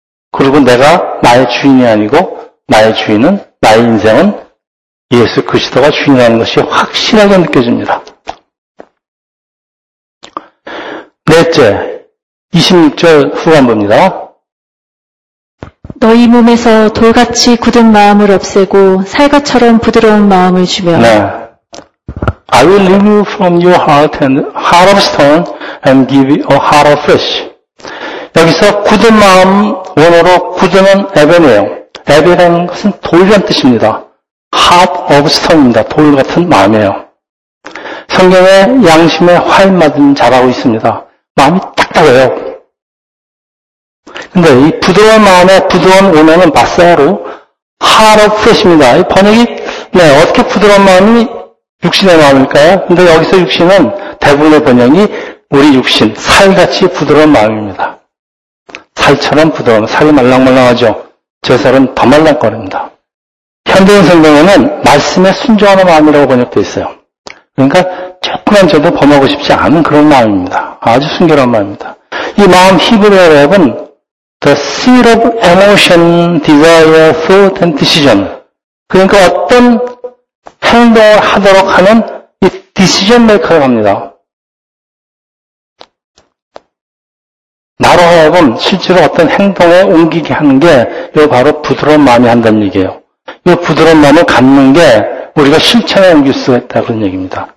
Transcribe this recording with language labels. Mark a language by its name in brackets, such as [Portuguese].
[Korean] 그리고 내가 나의 주인이 아니고 나의 주인은 나의 인생은 예수 그리스도가 주인이라는 것이 확실하게 느껴집니다. 넷째, 26절 후반부입니다. 너희 몸에서 돌같이 굳은 마음을 없애고 살갗처럼 부드러운 마음을 주며. 네. [English] I will remove from your heart and heart of stone and give you a heart of flesh. [Korean] 여기서 굳은 마음 원어로 굳은은 에베네요. 에베라는 것은 돌이란 뜻입니다. Heart of stone입니다. 돌 같은 마음이에요. 성경에 양심에 화인 맞은 자라고 있습니다. 마음이 딱딱해요. 근데 이 부드러운 마음의 부드러운 원어는 바사로 heart of flesh입니다. 이 번역이 네, 어떻게 부드러운 마음이 육신의 마음일까요? 근데 여기서 육신은 대부분의 번역이 우리 육신, 살같이 부드러운 마음입니다. 살처럼 부드러운, 살이 말랑말랑하죠. 저 살은 더 말랑거립니다. 현대인 성경에는 말씀에 순종하는 마음이라고 번역되어 있어요. 그러니까 조금만 저도 범하고 싶지 않은 그런 마음입니다. 아주 순결한 마음입니다. 이 마음 히브리어는 [English] The seat of emotion, desire, thought and decision. [Korean] 그러니까 어떤 행동을 하도록 하는 이 디시전 메이커라고 합니다. 나로 하여금 실제로 어떤 행동에 옮기게 하는 게 이거 바로 부드러운 마음이 한다는 얘기예요. 이 부드러운 마음을 갖는 게 우리가 실천에 옮길 수 있다 그런 얘기입니다.